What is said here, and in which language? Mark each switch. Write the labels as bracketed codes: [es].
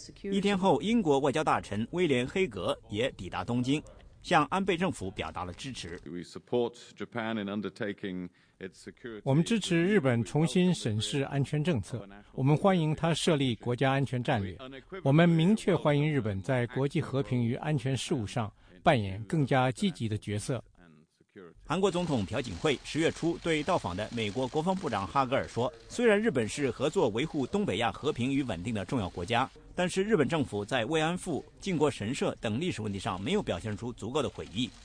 [zh] 一天后，英国外交大臣威廉·黑格也抵达东京，向安倍政府表达了支持。 [en] We support Japan in undertaking. [zh] 我们支持日本重新审视安全政策，我们欢迎他设立国家安全战略，我们明确欢迎日本在国际和平与安全事务上扮演更加积极的角色。韩国总统朴槿惠十月初对到访的美国国防部长哈格尔说，虽然日本是合作维护东北亚和平与稳定的重要国家，但是日本政府在慰安妇、靖国神社等历史问题上没有表现出足够的悔意。